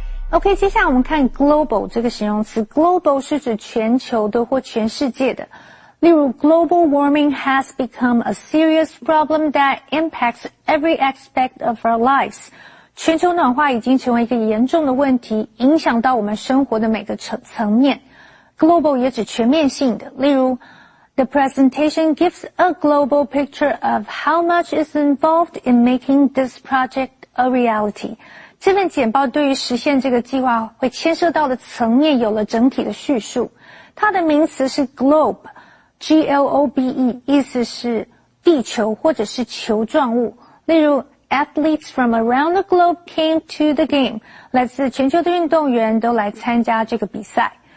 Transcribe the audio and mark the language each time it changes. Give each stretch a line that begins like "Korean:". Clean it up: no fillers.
Chinese: OK, 接下来我们看 global 这个形容词, global 是指全球的或全世界的。例如,
English: global warming has become a serious problem that impacts every aspect of our lives.
Chinese: 全球暖化已经成为一个严重的问题,影响到我们生活的每个层面。
English: Global
Chinese: 也指全面性的, 例如,
English: the presentation gives a global picture of how much is involved in making this project a reality.
Chinese: 这份简报对于实现这个计划会牵涉到的层面有了整体的叙述。它的名词是globe, G-L-O-B-E, 意思是地球或者是球状物。例如,
English: athletes from around the globe came to the game.
Chinese: 来自全球的运动员都来参加这个比赛。